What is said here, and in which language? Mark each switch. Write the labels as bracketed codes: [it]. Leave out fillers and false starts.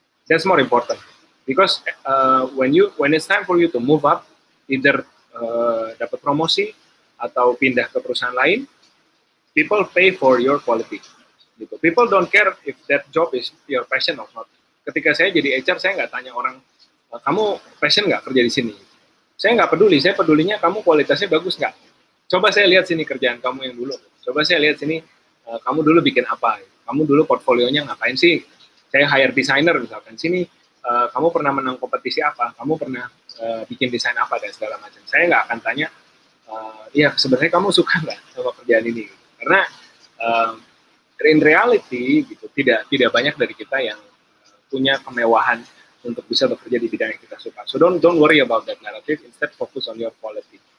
[en] That's more important because when it's time for you to move up, either [id] dapat promosi atau pindah ke perusahaan lain, [en] people pay for your quality. Gitu. People don't care if that job is your passion or not. [id] Ketika saya jadi HR, saya nggak tanya orang, kamu passion nggak kerja di sini? Saya nggak peduli, saya pedulinya kamu kualitasnya bagus nggak? Coba saya lihat sini kerjaan kamu yang dulu. Coba saya lihat sini, kamu dulu bikin apa? Kamu dulu portfolionya ngapain sih? Saya hire designer misalkan. Sini, kamu pernah menang kompetisi apa? Kamu pernah bikin desain apa dan segala macam. Saya nggak akan tanya, ya sebenarnya kamu suka nggak sama kerjaan ini? Karena [en] in reality [id] gitu tidak banyak dari kita yang punya kemewahan untuk bisa bekerja di bidang yang kita suka. [en] So don't worry about that narrative, instead focus on your quality.